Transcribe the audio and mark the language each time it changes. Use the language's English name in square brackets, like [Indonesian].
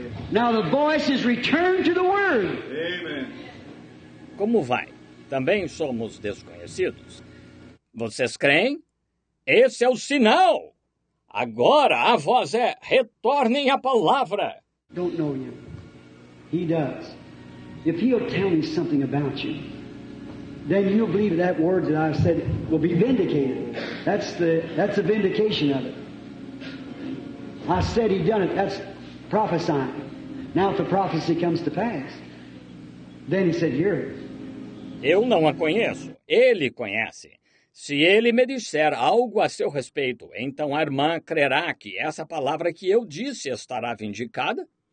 [English] Now the voice is returned to the word. Amen. [Portuguese] Como vai? Também somos desconhecidos. Vocês creem? Esse é o sinal. Agora a voz é retornem à palavra. [English] Don't know you. He does. If he'll tell me something about you, then you'll believe that word that I said will be vindicated. That's the vindication of it. I said he done it. That's prophesying. Now if the prophecy comes to pass, then he said, "Here." [Portuguese] Eu não a conheço. Ele conhece. Se ele me disser algo a seu respeito, então a irmã crerá que essa palavra que eu disse estará vindicada?